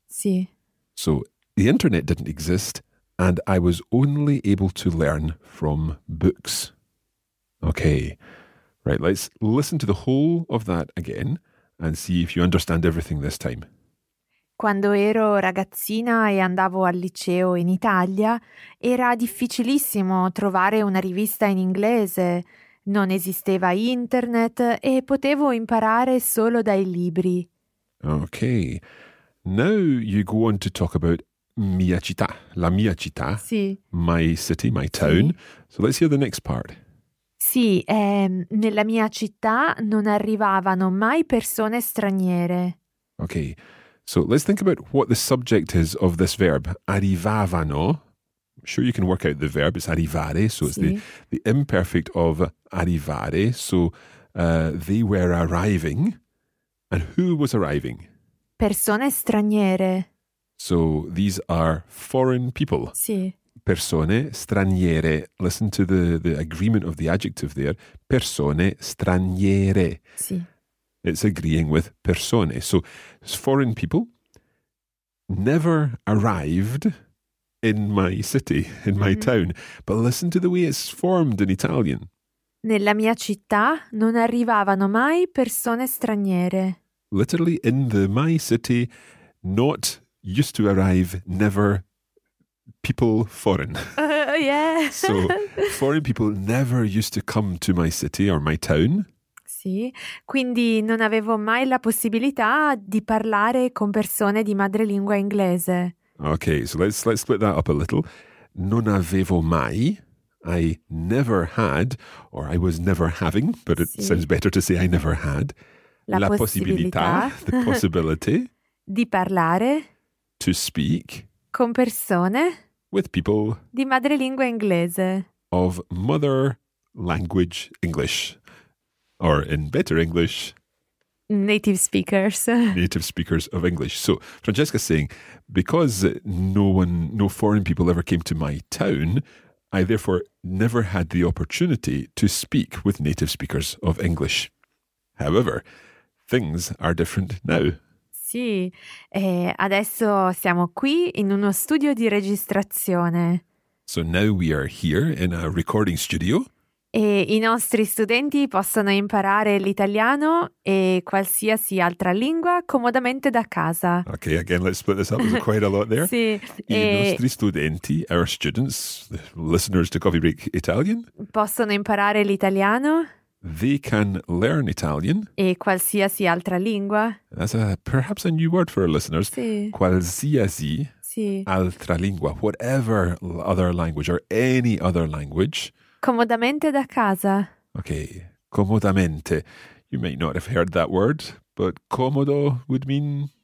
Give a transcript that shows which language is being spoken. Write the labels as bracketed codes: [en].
[it] Sì. [en] So the internet didn't exist, and I was only able to learn from books. Okay. Right, let's listen to the whole of that again and see if you understand everything this time. Quando ero ragazzina e andavo al liceo in Italia, era difficilissimo trovare una rivista in inglese. Non esisteva internet e potevo imparare solo dai libri. Okay. Now you go on to talk about [it] mia città, la mia città. Sì. [en] My city, my town. Sì. So let's hear the next part. [it] Sì, nella mia città non arrivavano mai persone straniere. [en] Okay. So let's think about what the subject is of this verb. Arrivavano. I'm sure you can work out the verb. It's arrivare. So it's the imperfect of arrivare. So they were arriving. And who was arriving? [it] Persone straniere. [en] So these are foreign people. [it] Sì. Persone straniere. [en] Listen to the agreement of the adjective there. [it] Persone straniere. Sì. [en] It's agreeing with persone. So foreign people never arrived in my city, in my town. But listen to the way it's formed in Italian. [it] Nella mia città non arrivavano mai persone straniere. [en] Literally, in the my city, not used to arrive, never people foreign. Yeah. So foreign people never used to come to my city or my town. [it] Sì, quindi non avevo mai la possibilità di parlare con persone di madrelingua inglese. [en] Okay, so let's split that up a little. [it] Non avevo mai, [en] I never had, or I was never having, but it sounds better to say I never had, [it] la possibilità, [en] the possibility, [it] di parlare, [en] to speak, [it] con persone, [en] with people, [it] di madrelingua inglese, [en] of mother language English. Or in better English, native speakers. Native speakers of English. So Francesca's saying, because no foreign people ever came to my town, I therefore never had the opportunity to speak with native speakers of English. However, things are different now. [it] Sì, adesso siamo qui in uno studio di registrazione. [en] So now we are here in a recording studio. [it] E I nostri studenti possono imparare l'italiano e qualsiasi altra lingua comodamente da casa. [en] Okay, again, let's split this up. There's quite a lot there. [it] Sì. E I nostri studenti, [en] our students, the listeners to Coffee Break Italian, [it] possono imparare l'italiano. [en] They can learn Italian. [it] E qualsiasi altra lingua. [en] That's perhaps a new word for our listeners. [it] Sì. Qualsiasi altra lingua, [en] whatever other language or any other language. [it] Comodamente da casa. [en] Okay, comodamente. You might not have heard that word, but comodo would mean...